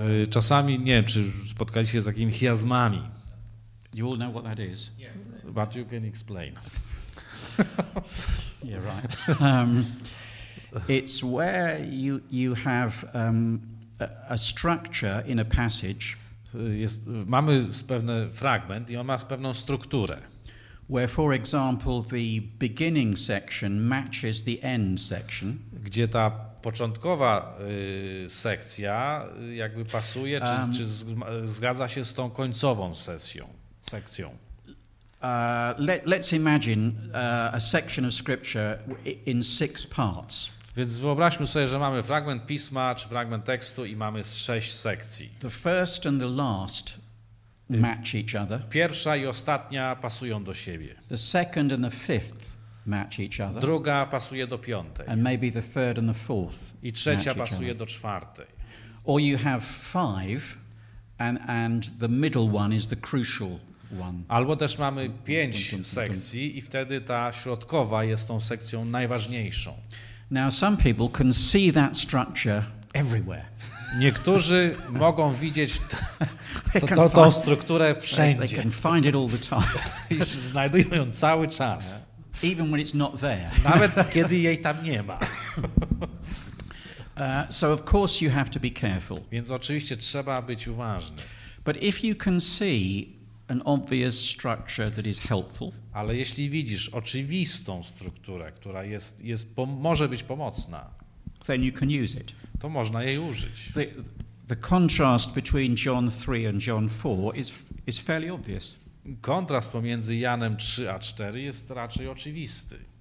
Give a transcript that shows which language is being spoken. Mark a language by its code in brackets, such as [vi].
[pl] Czasami nie, czy spotkaliście się z takimi chiasmami? [en] You all know what that is. Yes. But you can explain. Yeah, right. It's where you have a structure in a passage. [pl] jest, mamy pewien fragment i on ma pewną strukturę. [en] Where, for example, the beginning section matches the end section. [pl] Gdzie ta początkowa sekcja jakby pasuje, czy zgadza się z tą końcową sesją, sekcją. [en] Let's imagine a section of scripture in six parts. [pl] Więc wyobraźmy sobie, że mamy fragment pisma czy fragment tekstu i mamy sześć sekcji. [en] The first and the last match each other. [pl] Pierwsza i ostatnia pasują do siebie. [en] The second and the fifth match each other. [pl] Druga pasuje do piątej. [en] And maybe the third and the fourth. [pl] I trzecia pasuje do czwartej. [en] Or you have five and the middle one is the crucial. [pl] Albo też mamy pięć sekcji i wtedy ta środkowa jest tą sekcją najważniejszą. [en] Now some people can see that structure everywhere. [pl] Niektórzy mogą widzieć tą strukturę wszędzie. [en] They can find it all the time. [pl] I znajdują ją cały czas. [en] Even when it's not there. [pl] Nawet kiedy jej tam nie ma. [en] So of course you have to be careful. [pl] Więc oczywiście trzeba być uważny. [en] But if you can see an obvious structure that is helpful. [pl] Ale jeśli widzisz oczywistą strukturę, która może być pomocna, [en] then you can use it. [pl] To można jej użyć. [en] The contrast between John 3 and John 4 is fairly obvious. [pl] Kontrast pomiędzy Janem 3 a 4 jest raczej oczywisty.